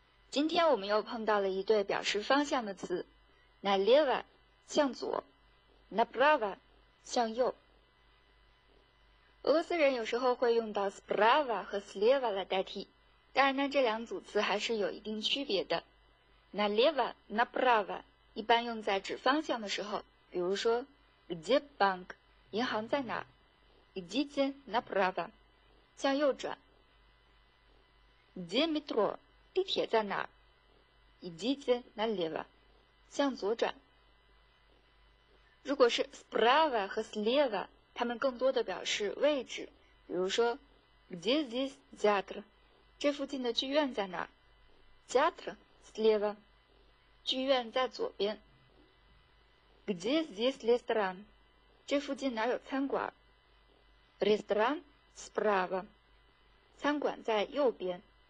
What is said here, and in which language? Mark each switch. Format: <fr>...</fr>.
<zh>今天我们又碰到了一对表示方向的词，</zh> <ru>на лево</ru> <zh>向左，</zh> <ru>на право</ru> <zh>向右。俄罗斯人有时候会用到 справа 和 слева 来代替，当然呢这两组词还是有一定区别的。</zh> <ru>на лево на право</ru> <zh>一般用在指方向的时候，比如说</zh> <ru>где банк</ru> <zh>银行在哪，</zh> <ru>идите на право</ru> <zh>向右转，</zh> <ru>где метро</ru> <zh>地铁在哪，</zh> <ru>идите на лево</ru> <zh>向左转。如果是 справа 和 слева， 它们更多的表示位置，比如说</zh> <ru>где здесь театр，</ru> <zh>这附近的剧院在哪，</zh> <ru>театр слева，</ru> <zh>剧院在左边。</zh> <ru>где здесь ресторан，</ru> <zh>这附近哪有餐馆，</zh> <ru>ресторан справа，</ru> <zh>餐馆在右边。</zh>